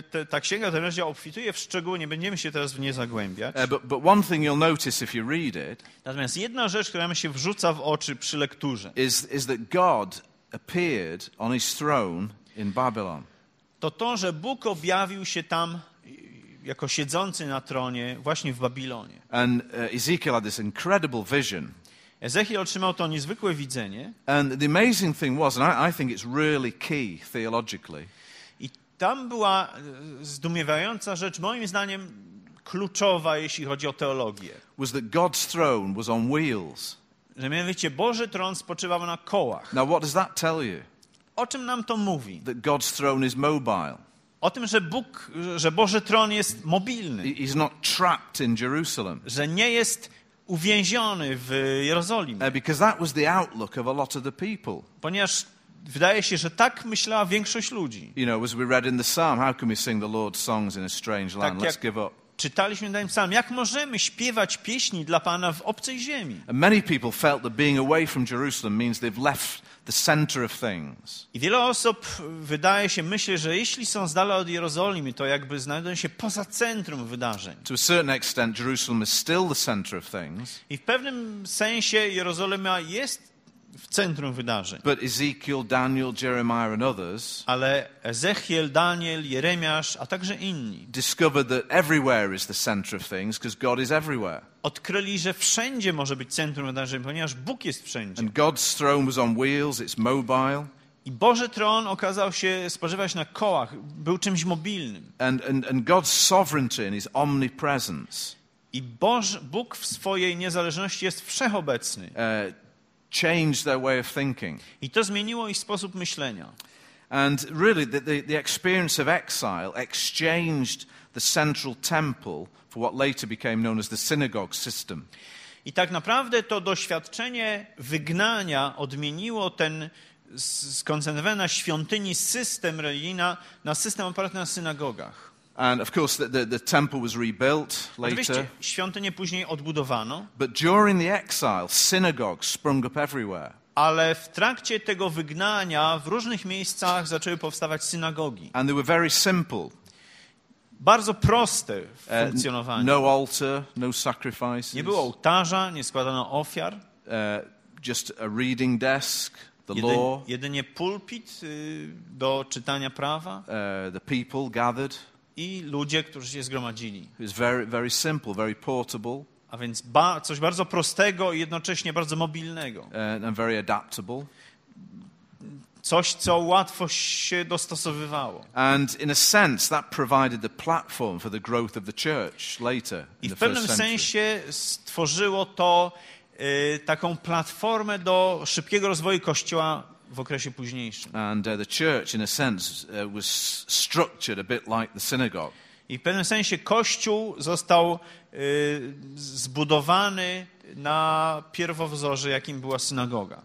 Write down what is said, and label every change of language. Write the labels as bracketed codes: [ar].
[pl] Ta księga, ten rozdział obfituje w szczegóły, nie będziemy się teraz w nie zagłębiać. [en] But one thing you'll notice if you read it. [pl] Natomiast jedna rzecz, która mi się wrzuca w oczy przy lekturze. [en] Is that God appeared on his throne in Babylon. [pl] To, że Bóg objawił się tam jako siedzący na tronie właśnie w Babilonie. [en] And Ezekiel had this incredible vision. [pl] Ezechiel otrzymał to niezwykłe widzenie. [en] And the amazing thing was, and I think it's really key theologically. [pl] I tam była zdumiewająca rzecz, moim zdaniem kluczowa, jeśli chodzi o teologię. [en] Was that God's throne was on wheels. [pl] Że mianowicie Boży tron spoczywał na kołach. [en] Now what does that tell you? [pl] O czym nam to mówi? [en] That God's throne is mobile. [pl] O tym, że Bóg, że Boży tron jest mobilny. [en] He's not trapped in Jerusalem. [pl] Że nie jest uwięziony w Jerozolimie. [en] Because that was the outlook of a lot of the people. [pl] Ponieważ wydaje się, że tak myślała większość ludzi. [en] You know, as we read in the psalm, how can we sing the Lord's songs in a strange land? Let's give up. [pl] Czytaliśmy w danym psalmie, jak możemy śpiewać pieśni dla Pana w obcej ziemi. [en] And many people felt that being away from Jerusalem means they've left the center of things. [pl] I wiele osób wydaje się, myślę, że jeśli są z dala od Jerozolimy, to jakby znajdują się poza centrum wydarzeń. [en] To a certain extent, Jerusalem is still the center of things. [pl] I w pewnym sensie Jerozolima jest w centrum wydarzeń. [en] But Ezekiel, Daniel, Jeremiah and others, [pl] ale Ezechiel, Daniel, Jeremiasz, a także inni, [en] discovered that everywhere is the center of things because God is everywhere. [pl] Odkryli, że wszędzie może być centrum wydarzeń, ponieważ Bóg jest wszędzie. [en] And God's throne was on wheels, it's mobile. [pl] I Boży tron okazał się spożywać na kołach, był czymś mobilnym. [en] And God's sovereignty and his omnipresence. [pl] I Bóg w swojej niezależności jest wszechobecny. [en] Changed their way of thinking. [pl] I to zmieniło ich sposób myślenia. [en] And really the experience of exile exchanged the central temple for what later became known as the synagogue system. [pl] I tak naprawdę to doświadczenie wygnania odmieniło ten skoncentrowany na świątyni system religijny na system oparty na synagogach. [en] And of course the temple was rebuilt later. [pl] Świątynię później odbudowano. [en] But during the exile, synagogues sprung up everywhere. [pl] Ale w trakcie tego wygnania w różnych miejscach zaczęły powstawać synagogi. [en] And they were very simple. [pl] Bardzo proste w funkcjonowaniu. [en] No altar, no sacrifices. [pl] Nie było ołtarza, nie składano ofiar. [en] Just a reading desk. [pl] Jedynie pulpit do czytania prawa. [en] The people gathered. [pl] I ludzie, którzy się zgromadzili. [en] It's very, very simple, very portable. [pl] A więc coś bardzo prostego i jednocześnie bardzo mobilnego. [en] And very adaptable. [pl] Coś, co łatwo się dostosowywało. [en] And in a sense, that provided the platform for the growth of the church later. [pl] I w pewnym sensie stworzyło to taką platformę do szybkiego rozwoju Kościoła w okresie późniejszym. [en] And the church, in a sense, was structured a bit like the synagogue. [pl] I w pewnym sensie Kościół został zbudowany na pierwowzorze, jakim była synagoga.